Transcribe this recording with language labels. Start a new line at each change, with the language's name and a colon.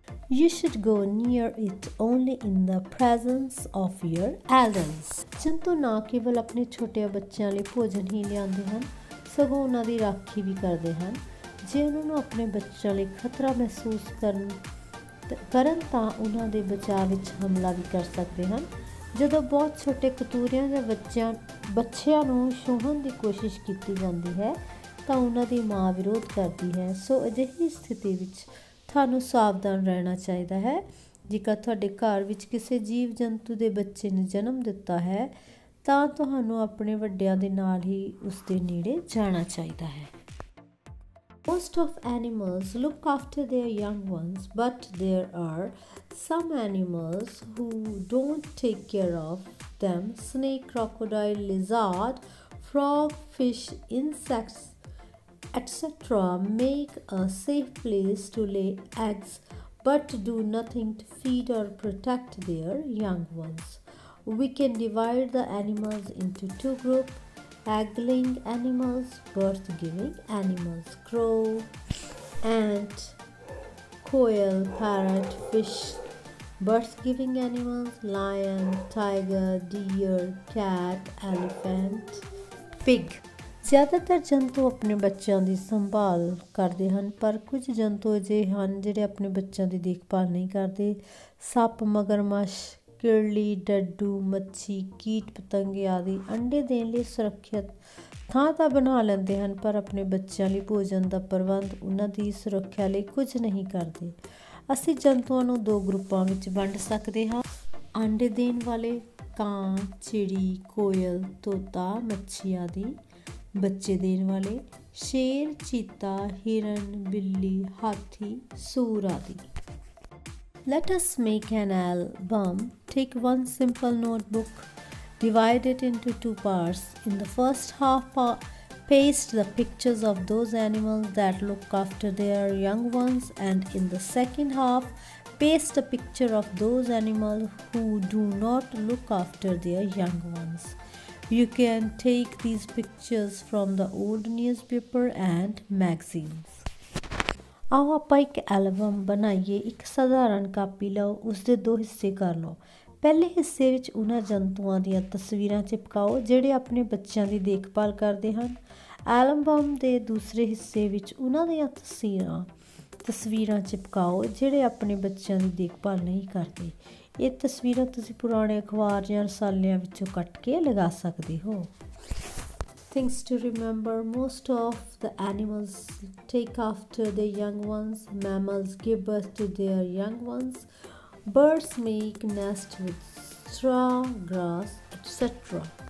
English: You should go near it only in the presence of your elders.
Punjabi: ਜੰਤੂ ਨਾ ਕੇਵਲ ਆਪਣੇ ਛੋਟੇ ਬੱਚਿਆਂ ਲਈ ਭੋਜਨ ਹੀ ਲਿਆਉਂਦੇ ਹਨ, ਸਗੋਂ ਉਹਨਾਂ ਦੀ ਰਾਖੀ ਵੀ ਕਰਦੇ ਹਨ। ਜੇ ਉਹਨਾਂ ਨੂੰ ਆਪਣੇ ਬੱਚਿਆਂ ਲਈ ਖਤਰਾ ਮਹਿਸੂਸ ਕਰਨ ਤਾਂ ਉਹਨਾਂ ਦੇ ਬਚਾਅ ਵਿੱਚ ਹਮਲਾ ਵੀ ਕਰ ਸਕਦੇ ਹਨ। ਜਦੋਂ ਬਹੁਤ ਛੋਟੇ ਕਤੂਰਿਆਂ ਜਾਂ ਬੱਚਿਆਂ ਨੂੰ ਛੂਹਣ ਦੀ ਕੋਸ਼ਿਸ਼ ਕੀਤੀ ਜਾਂਦੀ ਹੈ ਤਾਂ ਉਹਨਾਂ ਦੀ ਮਾਂ ਵਿਰੋਧ ਕਰਦੀ ਹੈ। ਸੋ ਅਜਿਹੀ ਸਥਿਤੀ ਵਿੱਚ ਤੁਹਾਨੂੰ ਸਾਵਧਾਨ ਰਹਿਣਾ ਚਾਹੀਦਾ ਹੈ। ਜੇਕਰ ਤੁਹਾਡੇ ਘਰ ਵਿੱਚ ਕਿਸੇ ਜੀਵ ਜੰਤੂ ਦੇ ਬੱਚੇ ਨੇ ਜਨਮ ਦਿੱਤਾ ਹੈ ਤਾਂ ਤੁਹਾਨੂੰ ਆਪਣੇ ਵੱਡਿਆਂ ਦੇ ਨਾਲ ਹੀ ਉਸਦੇ ਨੇੜੇ ਜਾਣਾ ਚਾਹੀਦਾ ਹੈ।
English: Most of animals look after their young ones, but there are some animals who don't take care of them. Snake, crocodile, lizard, frog, fish, insects, etc. make a safe place to lay eggs, but do nothing to feed or protect their young ones. We can divide the animals into two groups. Eggling animals, birth giving animals, crow, ant, quail, parrot, fish, birth giving animals, lion, tiger, deer, cat, elephant, pig.
Punjabi: ਜ਼ਿਆਦਾਤਰ ਜੰਤੂ ਆਪਣੇ ਬੱਚਿਆਂ ਦੀ ਸੰਭਾਲ ਕਰਦੇ ਹਨ, ਪਰ ਕੁਝ ਜੰਤੂ ਅਜਿਹੇ ਹਨ ਜਿਹੜੇ ਆਪਣੇ ਬੱਚਿਆਂ ਦੀ ਦੇਖਭਾਲ ਨਹੀਂ ਕਰਦੇ। ਸੱਪ, ਮਗਰਮੱਛ, ਕਿਰਲੀ, ਡੱਡੂ, ਮੱਛੀ, ਕੀਟ ਪਤੰਗੇ ਆਦਿ ਅੰਡੇ ਦੇਣ ਲਈ ਸੁਰੱਖਿਅਤ ਥਾਂ ਤਾਂ ਬਣਾ ਲੈਂਦੇ ਹਨ, ਪਰ ਆਪਣੇ ਬੱਚਿਆਂ ਲਈ ਭੋਜਨ ਦਾ ਪ੍ਰਬੰਧ, ਉਹਨਾਂ ਦੀ ਸੁਰੱਖਿਆ ਲਈ ਕੁਝ ਨਹੀਂ ਕਰਦੇ। ਅਸੀਂ ਜੰਤੂਆਂ ਨੂੰ ਦੋ ਗਰੁੱਪਾਂ ਵਿੱਚ ਵੰਡ ਸਕਦੇ ਹਾਂ। ਅੰਡੇ ਦੇਣ ਵਾਲੇ ਕਾਂ, ਚਿੜੀ, ਕੋਇਲ, ਤੋਤਾ, ਮੱਛੀ ਆਦਿ। ਬੱਚੇ ਦੇਣ ਵਾਲੇ ਸ਼ੇਰ, ਚੀਤਾ, ਹਿਰਨ, ਬਿੱਲੀ, ਹਾਥੀ, ਸੂਰ ਆਦਿ।
English: Let us make an album. Take one simple notebook, divide it into two parts. In the first half, paste the pictures of those animals that look after their young ones, and in the second half, paste a picture of those animals who do not look after their young ones. You can take these pictures from the old newspaper and magazines.
Punjabi: ਆਓ ਆਪਾਂ ਇੱਕ album ਬਣਾਈਏ। ਇੱਕ ਸਧਾਰਨ copy ਲਓ, ਉਸਦੇ ਦੋ ਹਿੱਸੇ ਕਰ ਲਓ। ਪਹਿਲੇ ਹਿੱਸੇ ਵਿੱਚ ਉਹਨਾਂ ਜੰਤੂਆਂ ਦੀਆਂ ਤਸਵੀਰਾਂ ਚਿਪਕਾਓ ਜਿਹੜੇ ਆਪਣੇ ਬੱਚਿਆਂ ਦੀ ਦੇਖਭਾਲ ਕਰਦੇ ਹਨ। ਐਲਬਮ ਦੇ ਦੂਸਰੇ ਹਿੱਸੇ ਵਿੱਚ ਉਹਨਾਂ ਦੀਆਂ ਤਸਵੀਰਾਂ ਚਿਪਕਾਓ ਜਿਹੜੇ ਆਪਣੇ ਬੱਚਿਆਂ ਦੀ ਦੇਖਭਾਲ ਨਹੀਂ ਕਰਦੇ। ਇਹ ਤਸਵੀਰਾਂ ਤੁਸੀਂ ਪੁਰਾਣੇ ਅਖਬਾਰ ਜਾਂ ਰਸਾਲਿਆਂ ਵਿੱਚੋਂ ਕੱਟ ਕੇ ਲਗਾ ਸਕਦੇ ਹੋ।
English: Things to remember: most of the animals take after their young ones, mammals give birth to their young ones, birds make nests with straw, grass, etc.